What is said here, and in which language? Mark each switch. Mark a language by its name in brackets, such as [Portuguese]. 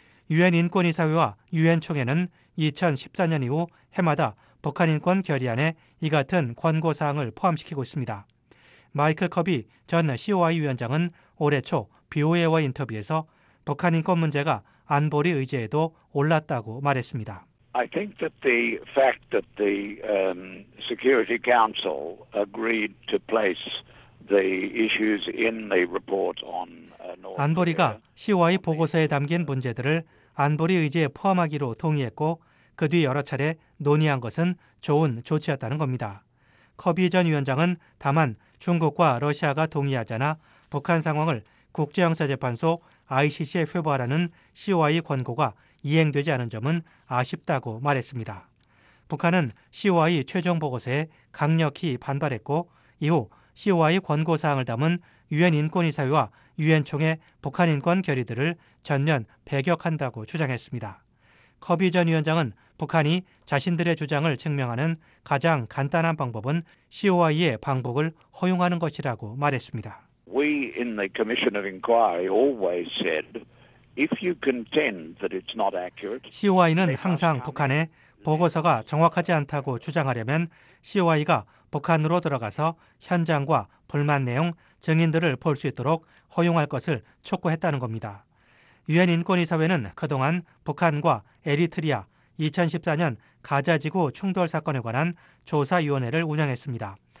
[Korean] 유엔 인권이사회와 유엔총회는 2014년 이후 해마다 북한인권 결의안에 이 같은 권고사항을 포함시키고 있습니다. 마이클 커비 전 COI 위원장은 올해 초 BOA와 인터뷰에서 북한인권 문제가 안보리 의제에도 올랐다고 말했습니다. [English] I think that the fact that the Security Council agreed to place the issues in the report on [Korean] 안보리가 COI 보고서에 담긴 문제들을 안보리 의제에 포함하기로 동의했고 그 뒤 여러 차례 논의한 것은 좋은 조치였다는 겁니다. 커비 전 위원장은 다만 중국과 러시아가 동의하자나 북한 상황을 국제형사재판소 ICC에 회부하라는 COI 권고가 이행되지 않은 점은 아쉽다고 말했습니다. 북한은 COI 최종 보고서에 강력히 반발했고 이후 COI 권고사항을 담은 유엔인권이사회와 유엔총회 북한인권 결의들을 전면 배격한다고 주장했습니다. 커비 전 위원장은 북한이 자신들의 주장을 증명하는 가장 간단한 방법은 COI의 방북을 허용하는 것이라고 말했습니다. [English] We in the Commission of Inquiry always said if you contend that it's not accurate. [Korean] COI는 항상 북한에 보고서가 정확하지 않다고 주장하려면 COI가 북한으로 들어가서 현장과 불만 내용, 증인들을 볼 수 있도록 허용할 것을 촉구했다는 겁니다. 유엔 인권이사회는 그동안 북한과 에리트리아, 2014년 가자지구 충돌 사건에 관한 조사위원회를 운영했습니다.